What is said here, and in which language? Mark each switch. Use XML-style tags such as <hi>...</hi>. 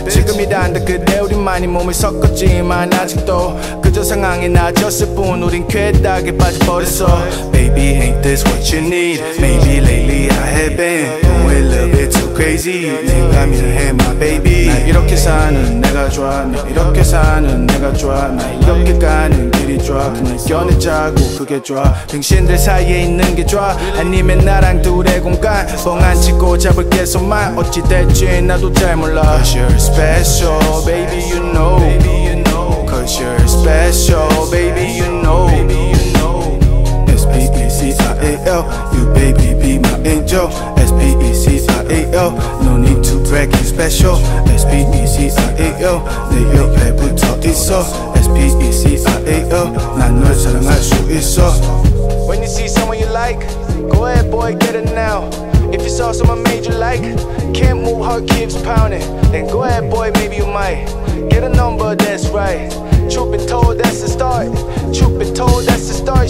<ko>지금이란 듯 그대 우리 많이 몸을 섞었지만 아직도 그저 상황이 나아졌을 뿐 우린 괴담에 빠져버렸어.</ko> <en>Baby, ain't this what you need? Maybe lately I have been going a little bit too crazy.</en> <ko>내가 미안해,</ko> <en>my baby.</en> <ko>이렇게 사는 내가 좋아, 나 이렇게 사는 내가 좋아, 나 이렇게 가는 길이 좋아, 그냥 연애자고 그게 좋아, 병신들 사이에 있는 게 좋아, 아니면 나랑 둘의 공간, 뻥안 치고 잡을게 손만, 어찌 될지 나도 잘 몰라.</ko> <en>Cause you're special, baby, you know. Cause you're special, baby, you know. S-P-E-C-I-A-L, you baby be my angel. S-P-E-C-I-A-L, no need to brag, you special. S-P-E-C-I-A-L,</en> <ko>내 옆에부터 있어.</ko> <en>S-P-E-C-I-A-L,</en> <ko>난 널 사랑할 수 있어.</ko> <en>When you see someone you like, go ahead boy, get it now. If you saw someone made you like, can't move, heart keeps pounding. Then go ahead boy, maybe you might get a number, that's right. Truth be told, that's the start. Truth be told, that's the start.</en>